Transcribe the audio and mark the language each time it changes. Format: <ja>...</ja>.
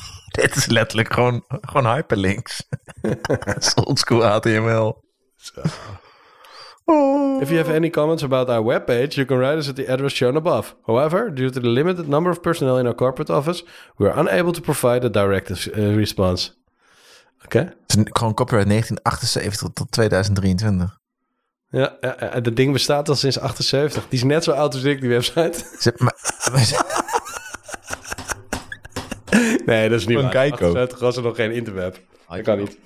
<nl>Dit is letterlijk gewoon hyperlinks. Oldschool HTML.</nl> <en>So. Oh. If you have any comments about our webpage, you can write us at the address shown above. However, due to the limited number of personnel in our corporate office, we are unable to provide a direct response.</en> <nl>Oké. Okay. Het is gewoon copyright 1978 tot 2023. Ja, dat ding bestaat al sinds 78. Die is net zo oud als ik, die website. Nee, dat is niet waar. Kijk ook. Het was er nog geen interweb. Dat kan niet.</nl>